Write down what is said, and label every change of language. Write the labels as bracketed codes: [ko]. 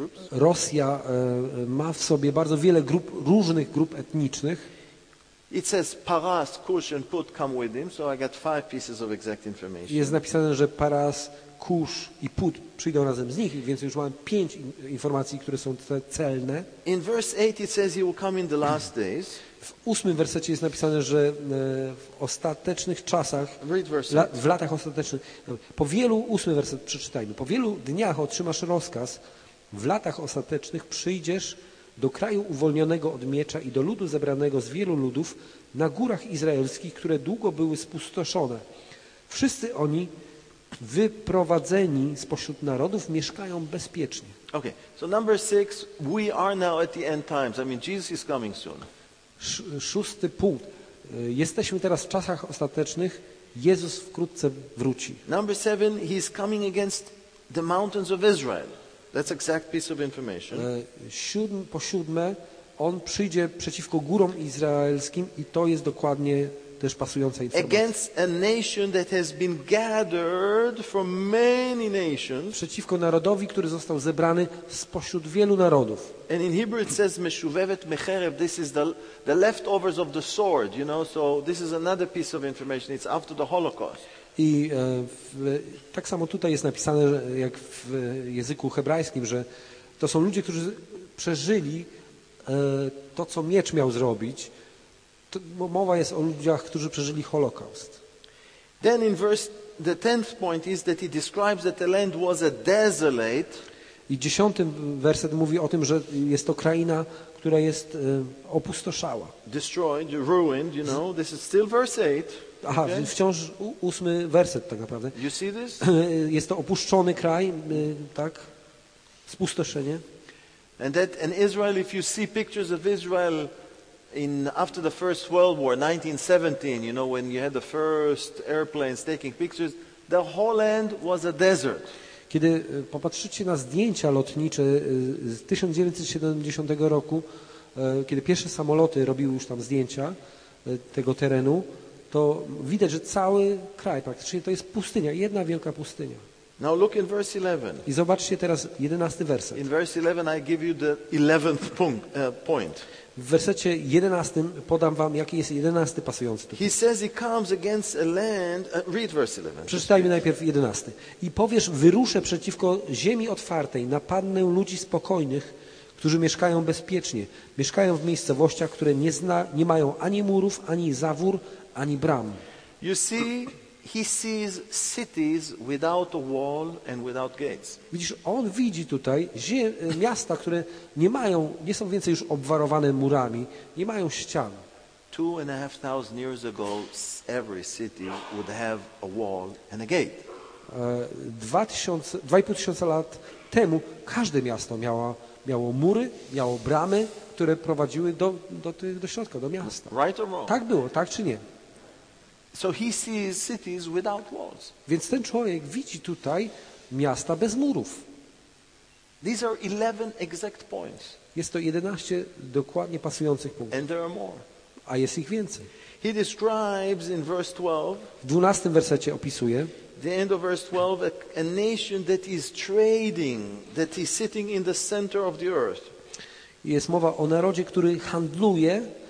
[pl] Rosja ma w sobie bardzo wiele grup, różnych grup etnicznych. [en] It says Paras, Kush and Put come with him, so I got five pieces of exact information. [pl] Jest napisane, że Paras, Kush i Put przyjdą razem z nich, więc już mam pięć informacji, które są te celne. [en] In verse 8 it says he will come in the last days. [pl] W 8 wersecie jest napisane, że w ostatecznych czasach, w latach ostatecznych, po wielu, 8 werset przeczytajmy, po wielu dniach otrzymasz rozkaz, w latach ostatecznych przyjdziesz do kraju uwolnionego od miecza i do ludu zebranego z wielu ludów na górach izraelskich, które długo były spustoszone. Wszyscy oni wyprowadzeni spośród narodów mieszkają bezpiecznie. [en] Okay, so number 6, we are now at the end times. I mean, Jesus is coming soon. [pl] Szósty punkt. Jesteśmy teraz w czasach ostatecznych. Jezus wkrótce wróci. [en] Number 7, he is coming against the mountains of Israel. That's exact piece of information. [pl] Po siódme, on przyjdzie przeciwko górom izraelskim i to jest dokładnie też pasująca informacja. [en] Against a nation that has been gathered from many nations. [pl] Przeciwko narodowi, który został zebrany spośród wielu narodów. [en] And in Hebrew it says [he] meshuvevet mecherev. [en] This is the leftovers of the sword, you know. So this is another piece of information. It's after the Holocaust. [pl] I tak samo tutaj jest napisane, że, jak w języku hebrajskim, że to są ludzie, którzy przeżyli to, co miecz miał zrobić. Mowa jest o ludziach, którzy przeżyli Holokaust. [en] Then in verse, the tenth point is that he describes that the land was a desolate. [pl] I dziesiąty werset mówi o tym, że jest to kraina, która jest opustoszała. [en] Destroyed, ruined, you know. This is still verse 8. Aha, okay. [pl] Wciąż ósmy werset tak naprawdę. [en] You see this? [pl] Jest to opuszczony kraj, tak? Spustoszenie. [en] And that in Israel, if you see pictures of Israel in after the First World War, 1917, you know, when you had the first airplanes taking pictures, the whole land was a desert. [pl] Kiedy popatrzycie na zdjęcia lotnicze z 1970 roku, kiedy pierwsze samoloty robiły już tam zdjęcia tego terenu, to widać, że cały kraj praktycznie to jest pustynia, jedna wielka pustynia. [en] Now look in verse 11. [pl] I zobaczcie teraz 11 werset. [en] In verse 11 I give you the 11th point. [pl] W wersecie 11 podam wam, jaki jest 11 pasujący tytuł. [en] He says he comes against a land. Read verse 11. [pl] Przeczytajmy najpierw 11. I powiesz, wyruszę przeciwko ziemi otwartej, napadnę ludzi spokojnych, którzy mieszkają bezpiecznie, mieszkają w miejscowościach, które nie mają ani murów, ani zawór, ani bram. [en] You see, he sees cities without a wall and without gates. [pl] Widzisz, on widzi tutaj miasta, które nie mają, nie są więcej już obwarowane murami, nie mają ścian. [en] 2,500 years ago, every city would have a wall and a gate. [pl] 2,500 lat temu każde miasto miało mury, miało bramy, które prowadziły do środka, do miasta. [en] Right or wrong? [pl] Tak było, tak czy nie? [en] So he sees cities without walls. [pl] Więc ten człowiek widzi tutaj miasta bez murów. [en] These are 11 exact points. [pl] Jest to 11 dokładnie pasujących punktów. [en] And there are more. [pl] A jest ich więcej. [en] He describes in verse 12, [pl] w 12 wersecie opisuje [en] the end of verse 12, a nation that is trading, that is sitting in the center of the earth. [pl] Jest mowa o narodzie, który handluje.